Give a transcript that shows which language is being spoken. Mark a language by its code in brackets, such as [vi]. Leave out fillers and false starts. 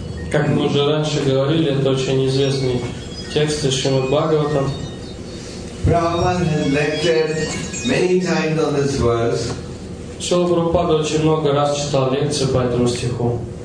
[ru] Как мы уже раньше говорили, это очень известный текст из Шримад Бхагаватам. [en] Prabhupada has lectured many times on this verse. [ru] Шрила Прабхупада очень много раз читал лекции по этому стиху.